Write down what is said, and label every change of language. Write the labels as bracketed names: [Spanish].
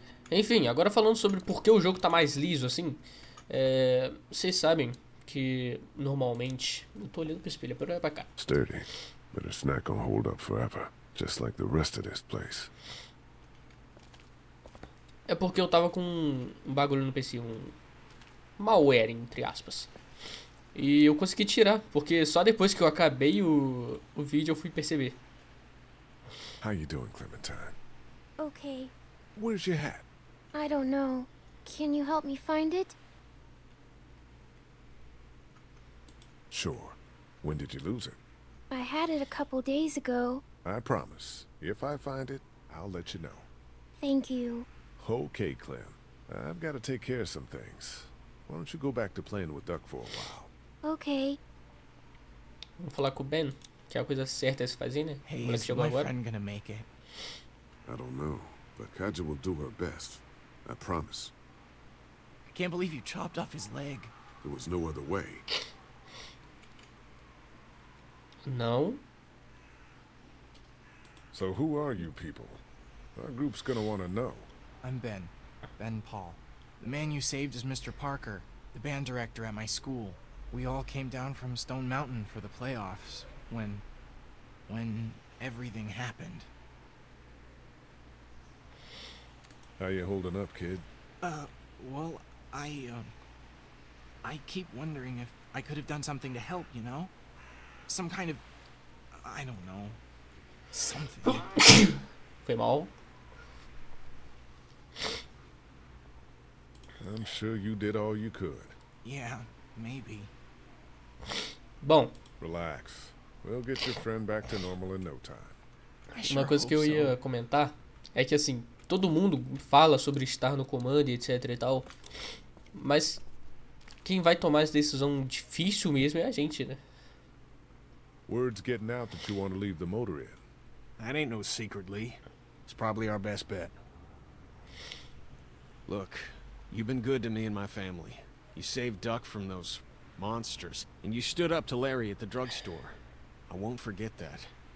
[Portuguese] Enfim, agora falando sobre por que o jogo tá mais liso assim, vocês sabem que normalmente não tô olhando pro espelho, pra olhar pra cá. [English] Sturdy, but it's not gonna hold up forever, just like the rest of this place. [Portuguese] É porque eu tava com um bagulho no PC, um malware entre aspas. E eu consegui tirar, porque só depois que eu acabei o vídeo eu fui perceber. [English] How you doing, Clementine? Okay. Where's your hat? I don't know. Can you help me find it? Sure. When did you lose it? I had it a couple days ago. I promise. If I find it, I'll let you know. Thank you. Okay, Clem. I've got to take care of some things. Why don't you go back to playing with Duck for a while? Okay. [Portuguese] Vamos falar com o Ben, que é a coisa certa a se fazer, né? [English] Hey, is my friend gonna make it? I don't know, but Kaja will do her best. I promise. I can't believe you chopped off his leg. There was no other way. [Portuguese] Não. [English] So who are you people? Our group's gonna wanna know. I'm Ben. Ben Paul. The man you saved is Mr. Parker, the band director at my school. We all came down from Stone Mountain for the playoffs when everything happened. How you holding up, kid? I keep wondering if I could have done something to help, you know? Some kind of, I don't know, something. [Portuguese] Foi mal. [English] I'm sure you did all you could. Yeah, maybe. [Portuguese] Bom. [English] Relax. We'll get your friend back to normal in no time. [Portuguese] Uma coisa que eu ia comentar é que assim, todo mundo fala sobre estar no comando e etc e tal, mas quem vai tomar essa decisão difícil mesmo é a gente, né? [English] Word's getting out that you want to leave the motor in. That ain't no secret, Lee. It's probably our best bet. Look, you've been good to me and my family. You saved Duck from those monsters, and you stood up to Larry at the drugstore. I won't forget that.